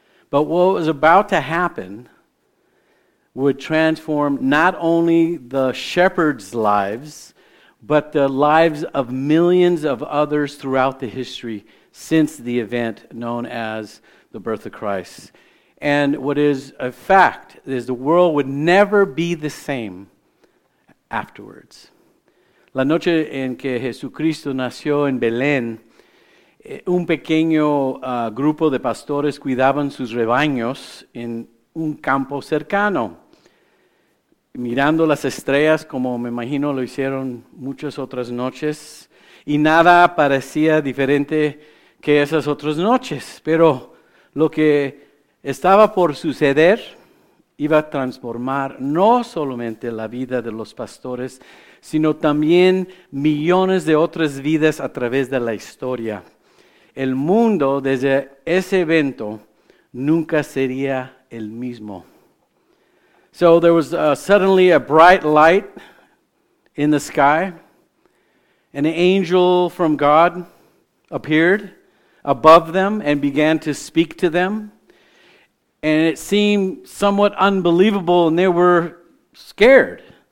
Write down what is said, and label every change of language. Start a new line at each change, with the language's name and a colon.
English: But what was about to happen would transform not only the shepherds' lives, but the lives of millions of others throughout the history since the event known as the birth of Christ. And what is a fact is the world would never be the same afterwards.
Spanish: La noche en que Jesucristo nació en Belén, un pequeño grupo de pastores cuidaban sus rebaños en un campo cercano, mirando las estrellas como me imagino lo hicieron muchas otras noches, y nada parecía diferente que esas otras noches, pero lo que estaba por suceder iba a transformar no solamente la vida de los pastores, sino también millones de otras vidas a través de la historia. El mundo desde ese evento nunca sería el mismo.
English: So there was suddenly a bright light in the sky. An angel from God appeared above them and began to speak to them, and it seemed somewhat unbelievable and they were scared.